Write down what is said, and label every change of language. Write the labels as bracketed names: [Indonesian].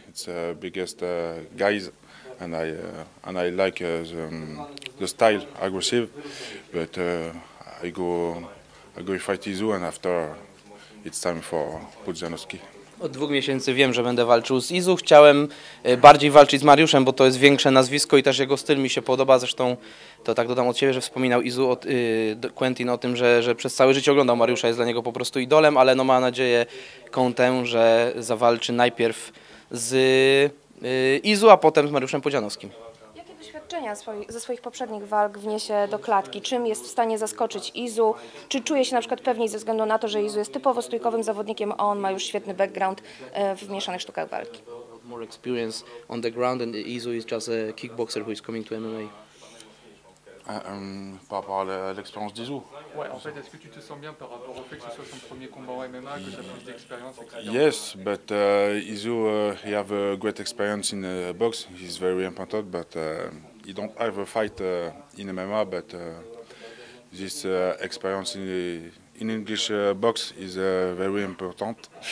[English] It's the biggest guys, and I like the style, aggressive. But I go fight Izu, and after it's time for Pudzianowski. [Polish] Od dwóch miesięcy wiem, że będę walczył z Izu. Chciałem bardziej walczyć z Mariuszem, bo to jest większe nazwisko i też jego styl mi się podoba. Zresztą to tak dodam od siebie, że wspominał Izu od Quentin o tym, że przez całe życie oglądał Mariusza, jest dla niego po prostu idolem, ale no ma nadzieję Conte, że zawalczy najpierw z Izu, a potem z Mariuszem Pudzianowskim. Jakie doświadczenia ze swoich poprzednich walk wniesie do klatki? Czym jest w stanie zaskoczyć Izu? Czy czuje się na przykład pewniej ze względu na to, że Izu jest typowo stójkowym zawodnikiem, a on ma już świetny background w mieszanych sztukach walki? [English] More experience on the ground, and Izu is just a kickboxer who is coming to MMA. [French] Par rapport à l'expérience d'Izu. Ouais, en fait, est-ce que tu te sens bien par rapport au fait que ce soit son premier combat en MMA, que tu as plus d'expérience, etc. [English] Yes, but Izu, he have a great experience in box. He's very important, but he don't have a fight in MMA. But this experience in English box is very important.